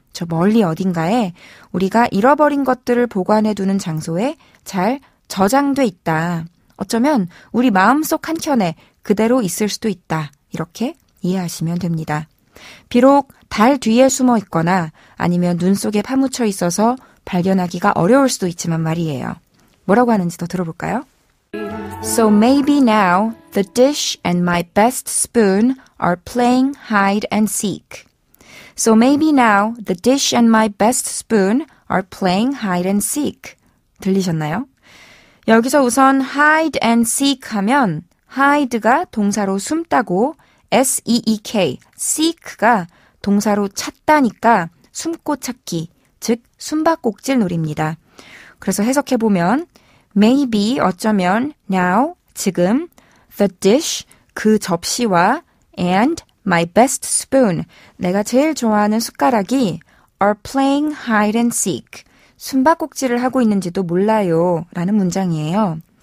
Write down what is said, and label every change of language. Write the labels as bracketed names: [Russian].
[Korean] 저 멀리 어딘가에 우리가 잃어버린 것들을 보관해두는 장소에 잘 저장돼 있다. 어쩌면 우리 마음속 한켠에 그대로 있을 수도 있다. 이렇게 이해하시면 됩니다. 비록 달 뒤에 숨어 있거나 아니면 눈 속에 파묻혀 있어서 발견하기가 어려울 수도 있지만 말이에요. 뭐라고 하는지 더 들어볼까요? [English] So maybe now the dish and my best spoon are playing hide and seek. So maybe now the dish and my best spoon are playing hide and seek. [Korean] 들리셨나요? 여기서 우선 hide and seek 하면 hide가 동사로 숨다고 S-E-E-K, seek가 동사로 찾다니까 숨고 찾기, 즉 숨바꼭질 놀이입니다. 그래서 해석해보면 maybe 어쩌면 now 지금 the dish 그 접시와 [English] and my best spoon [Korean] 내가 제일 좋아하는 숟가락이 [English] are playing hide and seek [Korean] 숨바꼭질을 하고 있는지도 몰라요 라는 문장이에요.